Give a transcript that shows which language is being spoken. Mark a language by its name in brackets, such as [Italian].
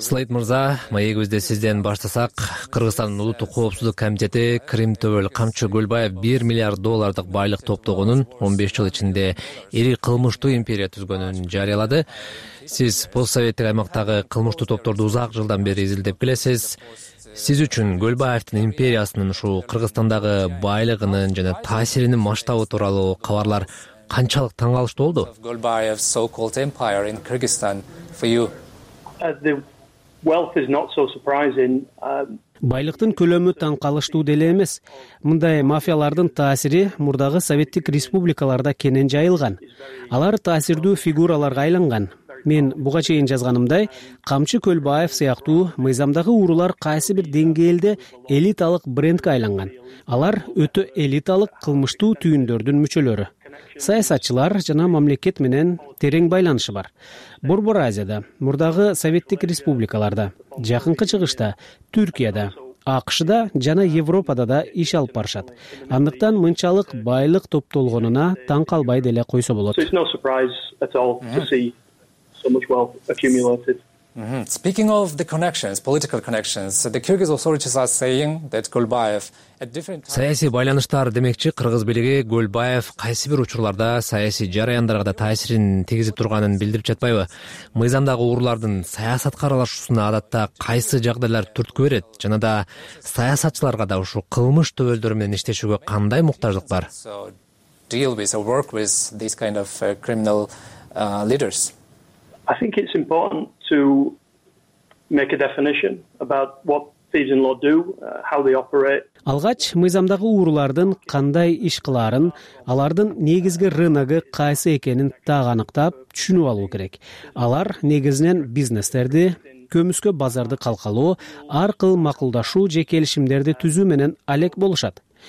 [Kyrgyz] Слейт мырза, маегибизде сизден баштасак, Кыргызстандын улуттук коопсуздук комитети Кримтөбөл Камчы Көлбаев 1 миллиард доллардык байлык топтогонун 15 жыл ичинде ири кылмыштуу империя түзгөнүн жарыялады. Сиз постсоветтик аймактагы кылмыштуу топторду узак жылдан бери изилдеп келесиз. Сиз үчүн Көлбаевдин империясынын ушул Кыргызстандагы байлыгынын жана таасиринин масштабы тууралуу кабарлар канчалык таң калыштуу болду? [English] Golbayev's so-called empire in Kyrgyzstan for you. The wealth is not so surprising. [Kyrgyz] Байлыктын көлөмү таң калыштуу деле эмес. Мындай мафиялардын таасири мурдагы советтик республикаларда кенен жайылган. Алар таасирдүү фигураларга айланган. Мен буга чейин жазганымдай, Камчы Көлбаев сыяктуу мыйзамдагы уурулар кайсы бир деңгээлде элиталык брендке айланган. Алар өтө элиталык кылмыштуу түйүндөрдүн мүчөлөрү. Саясатчылар жана мамлекет менен терең байланышы бар. Борбор Азияда, мурдагы советтик республикаларда, жакынкы чыгышта, Түркияда, АКШ-да жана Европада да иш алып барышат. Андыктан мынчалык байлык топтолгонуна таң калбай деле койсо болот. [English] Speaking of the connections, political connections, the Kyrgyz authorities are saying that Gulbayev at different times. [Kyrgyz] Саясий байланыштар демекчи, кыргыз бийлиги Гөлбаев кайсы бир учурларда саясий жараяндарга да таасирин тийгизип турганын билдирип жатпайбы? Мыйзамдагы уурулардын саясатка аралашуусуна адатта кайсы жагдайлар түрткү берет жана да саясатчыларга да ушул кылмыш төбөлдөрү менен иштешүүгө кандай муктаждык бар? [English] Deal with or work with these kind of criminal leaders. I think it's important to make a definition about what thieves in law do, how they operate. [Kyrgyz] Алгач мыйзамдагы уурулардын кандай иш кыларын, алардын негизги рыногу кайсы экенин так аныктап түшүнүп алуу керек. Алар негизинен бизнестерди, көмүскө базарды калкалоо, ар кыл макулдашуу же келишимдерди түзүү менен алек болушат.